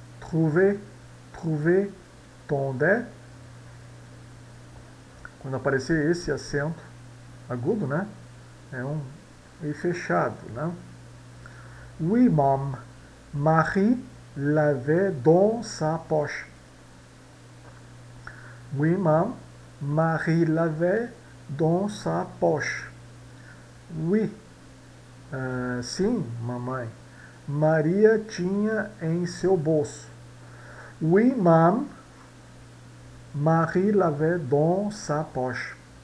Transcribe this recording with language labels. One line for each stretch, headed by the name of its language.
French: Trouver ton dé.
Portuguese: Quando aparecer esse acento agudo, né? É um e fechado, né?
French: Oui, mom. Marie l'avait dans sa poche. Oui, maman, Marie l'avait dans sa poche.
Portuguese: Oui, sim, mamãe, Maria tinha em seu bolso.
French: Oui, maman, Marie l'avait dans sa poche.